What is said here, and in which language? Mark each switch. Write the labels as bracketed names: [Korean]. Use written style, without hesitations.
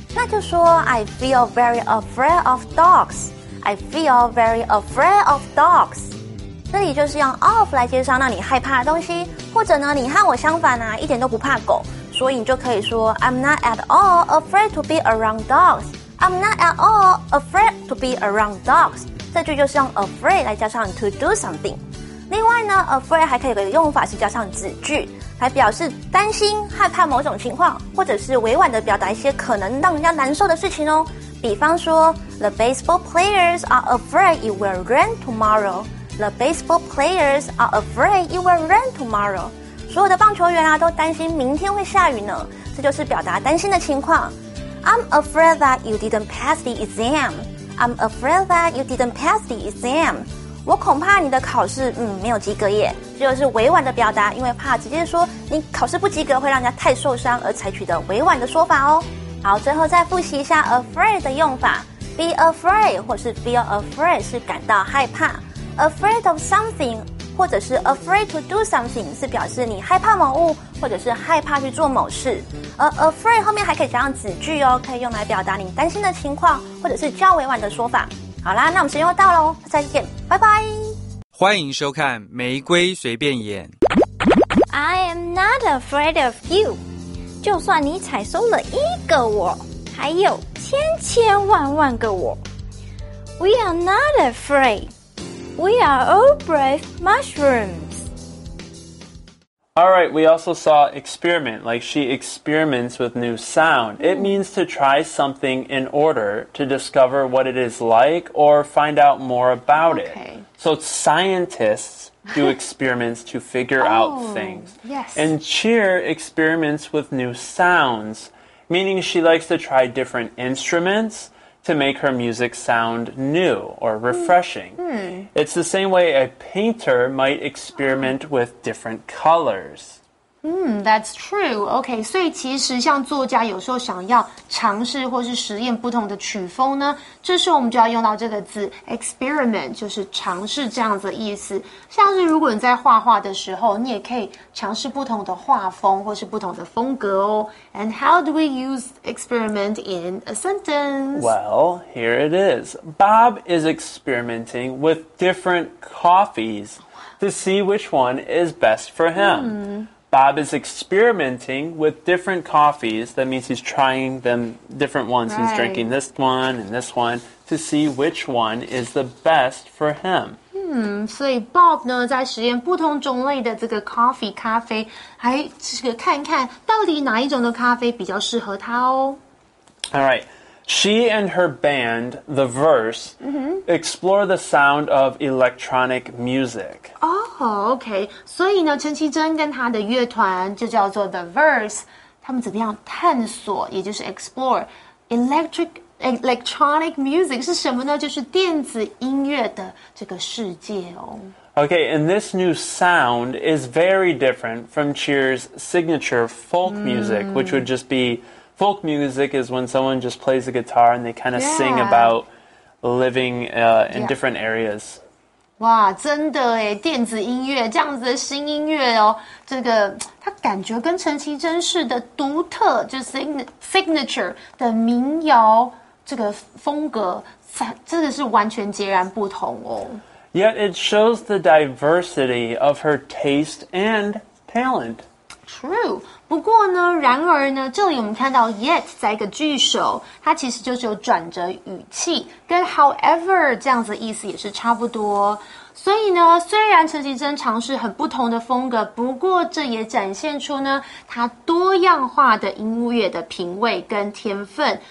[Chinese] 那就说 [English] I feel very afraid of dogs。 [Chinese] 这里就是用 of 来介绍让你害怕的东西，或者呢，你和我相反啊，一点都不怕狗，所以你就可以说 [English] I'm not at all afraid to be around dogs. I'm not at all afraid to be around dogs. [Chinese] 这句就是用 [English] afraid [Chinese] 来加上 [English] to do something. [Chinese] 另外呢 ，afraid 还可以有一个用法是加上子句，来表示担心、害怕某种情况，或者是委婉的表达一些可能让人家难受的事情哦。比方说 [English] ，The baseball players are afraid it will rain tomorrow. The baseball players are afraid it will rain tomorrow. [Chinese] 所有的棒球员啊都担心明天会下雨呢，这就是表达担心的情况。 [English] I'm afraid that you didn't pass the exam. I'm afraid that you didn't pass the exam. [Chinese] 我恐怕你的考试没有及格耶，这就是委婉的表达，因为怕直接说你考试不及格会让人家太受伤而采取的委婉的说法哦。好，最后再复习一下 afraid 的用法。Be afraid 或是 feel afraid 是感到害怕，Afraid of something 或者是 afraid to do something 是表示你害怕某物或者是害怕去做某事，而 afraid 后面还可以加上子句哦，可以用来表达你担心的情况或者是较委婉的说法。好啦，那我们时间又到了哦，再见，拜拜。欢迎收看玫瑰随便演。 [English] I am not afraid of you， [Chinese] 就算你采收了一个我，还有千千万万个我。 [English] We are not afraidWe are all brave mushrooms. All right, we also saw experiment, like she experiments with new sound. It means to try something in order to discover what it is like or find out more about it. So scientists do experiments to figure out things. Yes. And Cheer experiments with new sounds, meaning she likes to try different instruments. To make her music sound new or refreshing. It's the same way a painter might experiment with different colors. That's true. [Chinese] Okay, 所以其实像作家有时候想要尝试或是实验不同的曲风呢，这时候我们就要用到这个字 experiment， 就是尝试这样子的意思。像是如果你在画画的时候，你也可以尝试不同的画风或是不同的风格哦。 [English] And how do we use experiment in a sentence? Well, here it is. Bob is experimenting with different coffees to see which one is best for him. Bob is experimenting with different coffees. That means he's trying them different ones. Right. He's drinking this one and this one to see which one is the best for him. [Chinese] 所以 Bob 呢在实验不同种类的这个 coffee 咖啡，还这个看看到底哪一种的咖啡比较适合他哦。 [English] All right, she and her band, The Verse,、explore the sound of electronic music. Oh, okay. [Chinese] 所以呢，陈绮贞跟她的乐团就叫做 The Verse， 他们怎么样探索，也就是 explore electronic music 是什么呢？就是电子音乐的这个世界哦。 [English] Okay, and this new sound is very different from Cher's signature folk music, which would just be folk music is when someone just plays a guitar and they kind of sing about living in different areas. [Chinese] 哇，真的耶，电子音乐，这样子的新音乐哦，这个它感觉跟陈绮贞式的独特，就 signature 的民谣这个风格，真的是完全截然不同哦。 [English] Yet it shows the diversity of her taste and talent. True. [Chinese] 不过呢，然而呢，这里我们看到 yet 在一个句首，它其实就是有转折语气，跟 however 这样子的意思也是差不多。所以呢，虽然陈绮贞尝试很不同的风格，不过这也展现出呢她多样化的音乐的品味跟天分。